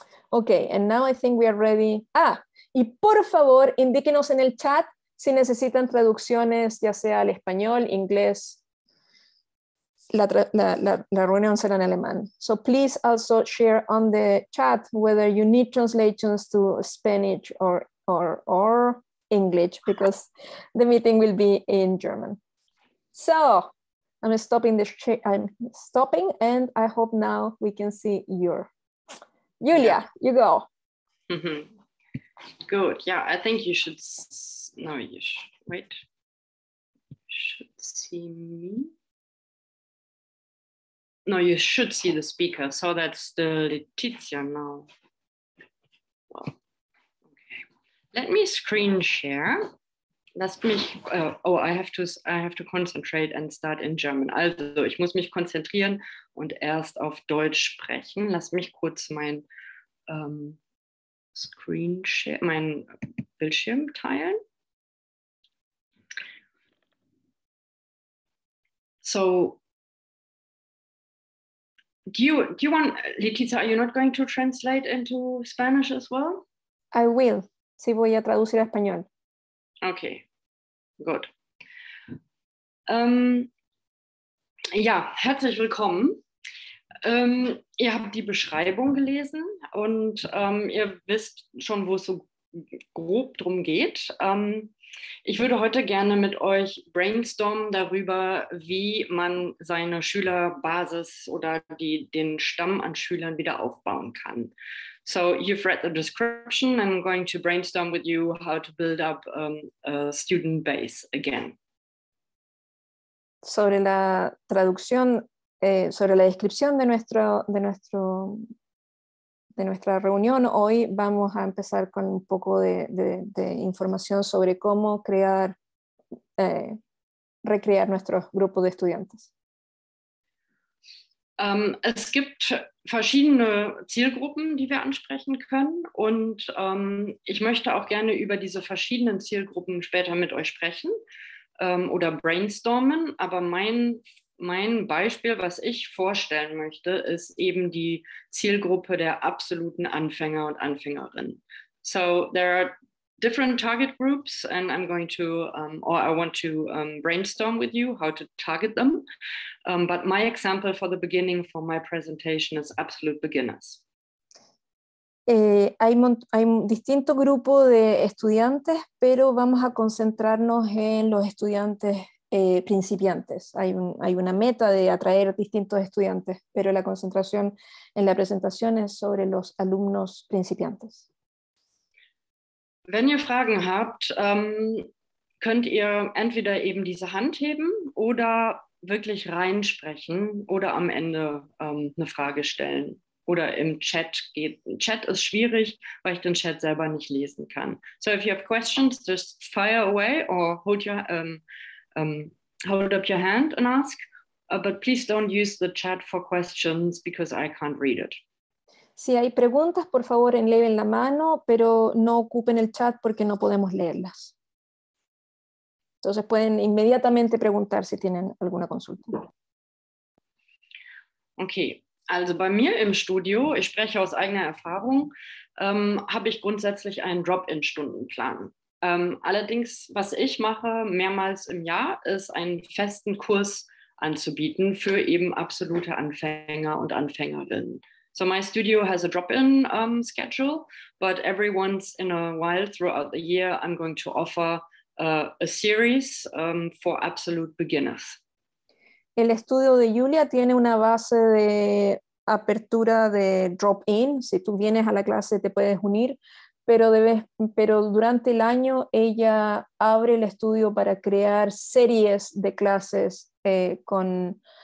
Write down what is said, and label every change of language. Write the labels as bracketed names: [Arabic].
[English] Ok, and now I think we are ready. [Spanish] Ah, y por favor, indíquenos en el chat si necesitan traducciones, ya sea al español, inglés. La reunión será en alemán. [English] So please also share on the chat whether you need translations to Spanish or English, because the meeting will be in German. So I'm stopping the I'm stopping, and I hope now we can see your Julia. Yeah. You go. Mm-hmm. Good. Yeah, I think you should. No, you should wait. You should see me. No, you should see the speaker. So that's the Letizia now. Let me screen share. I have to concentrate and start in German. [German] Also, ich muss mich konzentrieren und erst auf Deutsch sprechen. Lass mich kurz mein Screen share, mein Bildschirm teilen. [English] So, do you want, Letizia, are you not going to translate into Spanish as well? I will. [Spanish] Sí, voy a traducir a español. [English] Okay, good. [German] Ja, herzlich willkommen. Ihr habt die Beschreibung gelesen und ihr wisst schon, wo es so grob drum geht. Ich würde heute gerne mit euch brainstormen darüber, wie man seine Schülerbasis oder den Stamm an Schülern wieder aufbauen kann. [English] So you've read the description. I'm going to brainstorm with you how to build up a student base again. [Spanish] Sobre la traducción, sobre la descripción de nuestra reunión hoy, vamos a empezar con un poco de información sobre cómo crear, recrear nuestro grupo de estudiantes. [German] Es gibt verschiedene Zielgruppen, die wir ansprechen können, und ich möchte auch gerne über diese verschiedenen Zielgruppen später mit euch sprechen oder brainstormen, aber mein Beispiel, was ich vorstellen möchte, ist eben die Zielgruppe der absoluten Anfänger und Anfängerinnen. [English] So there are different target groups, and I'm going to, or I want to brainstorm with you how to target them. But my example for the beginning for my presentation is absolute beginners. [Spanish] Hay un distinto grupo de estudiantes, pero vamos a concentrarnos en los estudiantes principiantes. Hay una meta de atraer distintos estudiantes, pero la concentración en la presentación es sobre los alumnos principiantes. [German] Wenn ihr Fragen habt, könnt ihr entweder eben diese Hand heben oder wirklich reinsprechen oder am Ende eine Frage stellen oder im Chat gehen. Chat ist schwierig, weil ich den Chat selber nicht lesen kann. [English] So if you have questions, just fire away or hold up your hand and ask. But please don't use the chat for questions because I can't read it. [Spanish] Si hay preguntas, por favor, eleven la mano, pero no ocupen el chat porque no podemos leerlas. Entonces pueden inmediatamente preguntar si tienen alguna consulta. [German] Okay, also bei mir im Studio, ich spreche aus eigener Erfahrung, habe ich grundsätzlich einen Drop-in-Stundenplan. Allerdings, was ich mache mehrmals im Jahr, ist einen festen Kurs anzubieten für eben absolute Anfänger und Anfängerinnen. [English] So my studio has a drop-in schedule, but every once in a while throughout the year, I'm going to offer a series for absolute beginners. [Spanish] El estudio de Julia tiene una base de apertura de drop-in. Si tú vienes a la clase, te puedes unir, pero durante el año, ella abre el estudio para crear series de clases con